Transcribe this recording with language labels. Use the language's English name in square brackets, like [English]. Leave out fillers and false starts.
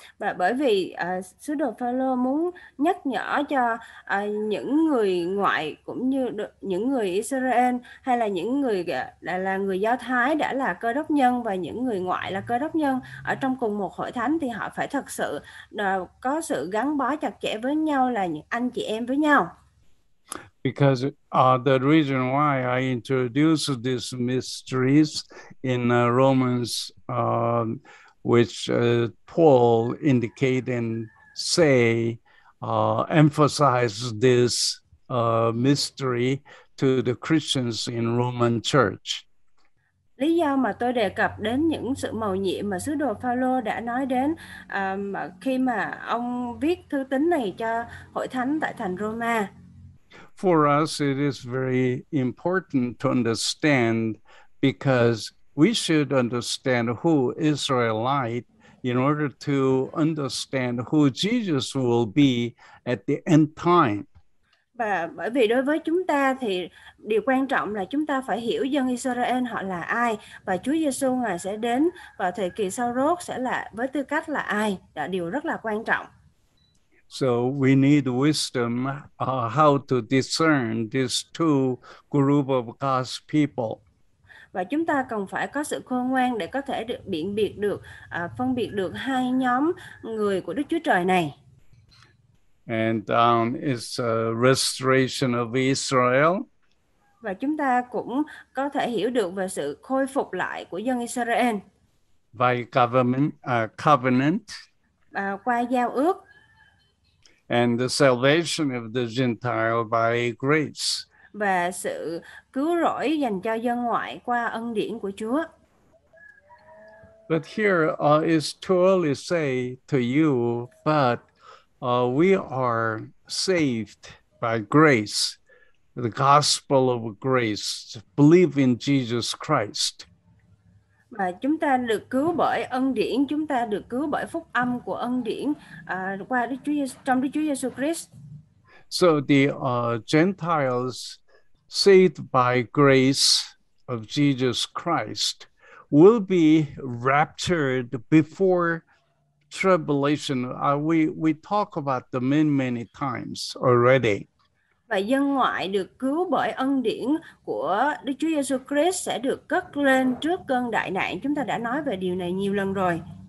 [Vietnamese] Và bởi vì sứ đồ Phaolô muốn nhắc nhở cho những người ngoại cũng như những người Israel hay là những người là người Do Thái đã là cơ đốc nhân và những người ngoại là cơ đốc nhân ở trong cùng một hội thánh thì họ phải thật sự có sự gắn bó chặt chẽ với nhau, là những anh chị em với nhau. [English] Because the reason why I introduced these mysteries in Romans, which Paul indicate and say, emphasize this mystery to the Christians in Roman church. [Vietnamese] Lý do mà tôi đề cập đến những sự mầu nhiệm mà sứ đồ Phaolô đã nói đến khi mà ông viết thư tín này cho hội thánh tại thành Roma. [English] For us, it is very important to understand, because we should understand who Israelite in order to understand who Jesus will be at the end time. [Vietnamese] Và bởi vì đối với chúng ta thì điều quan trọng là chúng ta phải hiểu dân Israel họ là ai, và Chúa Giêsu ngài sẽ đến vào thời kỳ sau rốt sẽ là với tư cách là ai, là điều rất là quan trọng. [English] So we need wisdom how to discern these two group of God's people. [Vietnamese] Và chúng ta cần phải có sự khôn ngoan để có thể được biện biệt được, phân biệt được hai nhóm người của Đức Chúa Trời này. [English] And it's a restoration of Israel. [Vietnamese] Và chúng ta cũng có thể hiểu được về sự khôi phục lại của dân Israel. [English] By government, covenant. [Vietnamese] Qua giao ước. [English] And the salvation of the Gentile by grace. [Vietnamese] Và sự cứu rỗi dành cho dân ngoại qua ân điển của Chúa. [English] But here is too early to say to you, but we are saved by grace, the gospel of grace, believe in Jesus Christ. [Vietnamese] Và chúng ta được cứu bởi ân điển, chúng ta được cứu bởi phúc âm của ân điển qua Đức Chúa Giê-xu, trong Đức Chúa Giê-xu Christ. [English] So the Gentiles saved by grace of Jesus Christ will be raptured before tribulation. We talk about the many times already. [Vietnamese] Và dân ngoại được cứu bởi ân điển của Đức Chúa Giêsu Christ sẽ được cất lên trước cơn đại nạn. Chúng ta đã nói về điều này nhiều lần rồi.